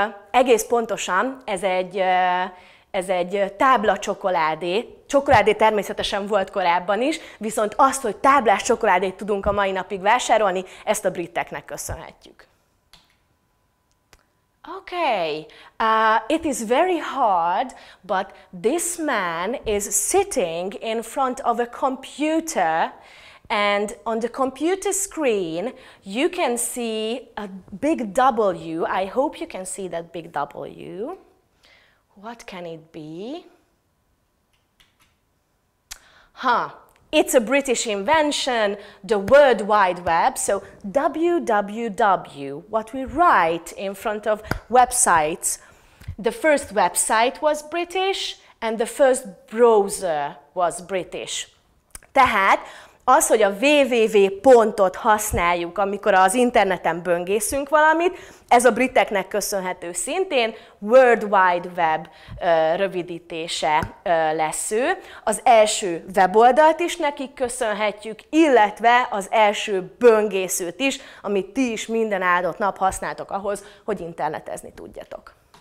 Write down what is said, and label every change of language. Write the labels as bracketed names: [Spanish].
[Hungarian] Egész pontosan, ez egy tábla csokoládé. Csokoládé természetesen volt korábban is, viszont azt, hogy táblás csokoládét tudunk a mai napig vásárolni, ezt a briteknek köszönhetjük. [English] Okay, it is very hard, but this man is sitting in front of a computer, and on the computer screen you can see a big W. I hope you can see that big W. What can it be? Huh, it's a British invention, the World Wide Web. So www, what we write in front of websites. The first website was British, and the first browser was British. [Hungarian] Tehát az, hogy a www pontot használjuk, amikor az interneten böngészünk valamit, ez a briteknek köszönhető szintén, World Wide Web rövidítése lesz ő. Az első weboldalt is nekik köszönhetjük, illetve az első böngészőt is, amit ti is minden áldott nap használtok ahhoz, hogy internetezni tudjatok.